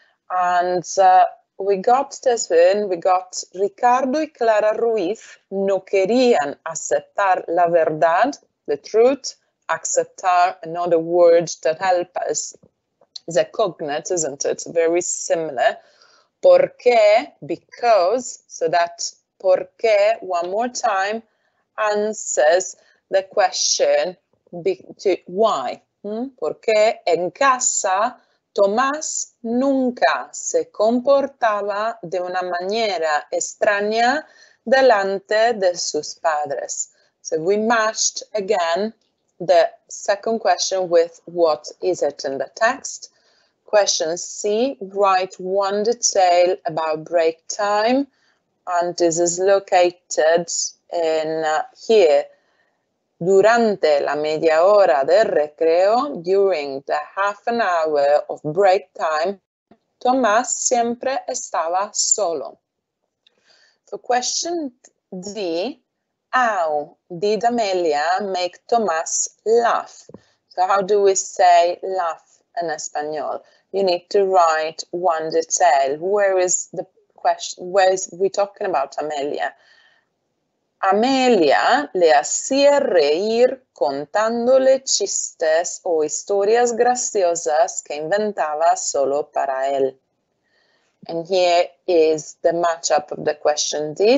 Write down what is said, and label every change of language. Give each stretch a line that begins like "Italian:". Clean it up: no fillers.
English: And we got this one, we got
Spanish: Ricardo y Clara Ruiz no querían aceptar la verdad,
English: the truth, aceptar, another word that help us, the cognate, isn't it? Very similar.
Spanish: ¿Por qué?
English: Because, so that
Spanish: ¿por qué?
English: One more time, answers the question to why.
Spanish: ¿Por qué? En casa, Tomás nunca se comportaba de una manera extraña delante de sus padres.
English: So we matched again the second question with what is it in the text. Question C, write one detail about break time. And this is located in here.
Spanish: Durante la media hora de recreo,
English: during the half an hour of break time,
Spanish: Tomás siempre estaba solo.
English: For question D, how did Amelia make Tomás laugh? So how do we say laugh in Espanol? You need to write one detail. Where is the question? Where is we talking about Amelia?
Spanish: Amelia le hacía reír contándole chistes o historias graciosas que inventaba solo para él.
English: And here is the matchup of the question D.